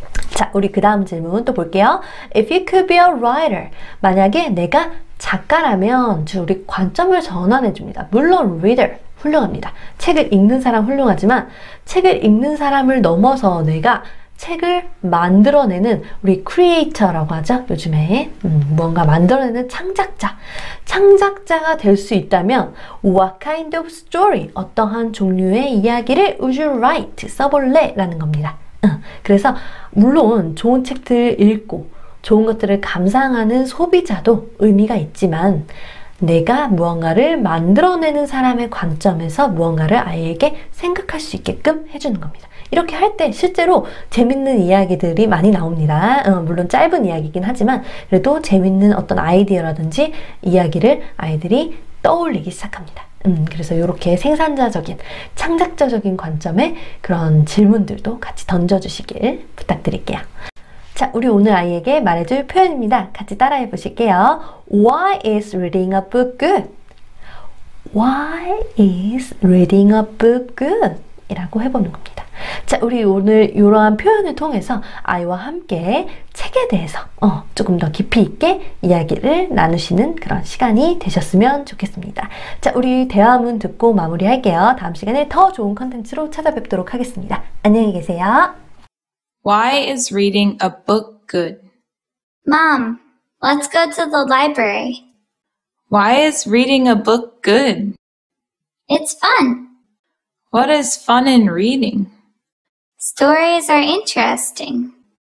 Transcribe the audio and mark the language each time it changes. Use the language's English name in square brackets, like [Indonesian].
[Korean] 자, 우리 그 다음 질문 또 볼게요. [English] If you could be a writer, [Korean] 만약에 내가 작가라면 우리 관점을 전환해 줍니다. 물론 reader 훌륭합니다. 책을 읽는 사람 훌륭하지만 책을 읽는 사람을 넘어서 내가 책을 만들어내는 우리 크리에이터라고 하죠. 요즘에 뭔가 만들어내는 창작자. 창작자가 될수 있다면 [English] What kind of story? [Korean] 어떠한 종류의 이야기를 [English] would you write? [Korean] 써볼래라는 겁니다. 그래서 물론 좋은 책들 읽고 좋은 것들을 감상하는 소비자도 의미가 있지만 내가 무언가를 만들어내는 사람의 관점에서 무언가를 아이에게 생각할 수 있게끔 해주는 겁니다. 이렇게 할때 실제로 재밌는 이야기들이 많이 나옵니다. 물론 짧은 이야기이긴 하지만 그래도 재밌는 어떤 아이디어라든지 이야기를 아이들이 떠올리기 시작합니다. 그래서 이렇게 생산자적인, 창작자적인 관점의 그런 질문들도 같이 던져주시길 부탁드릴게요. 자, 우리 오늘 아이에게 말해줄 표현입니다. 같이 따라해 보실게요. [English] Why is reading a book good? Why is reading a book good? [Korean] 이라고 해보는 겁니다. 자, 우리 오늘 이러한 표현을 통해서 아이와 함께 책에 대해서 조금 더 깊이 있게 이야기를 나누시는 그런 시간이 되셨으면 좋겠습니다. 자, 우리 대화문 듣고 마무리할게요. 다음 시간에 더 좋은 컨텐츠로 찾아뵙도록 하겠습니다. 안녕히 계세요. [English] Why is reading a book good? Mom, let's go to the library. Why is reading a book good? It's fun. What is fun in reading? Stories are interesting.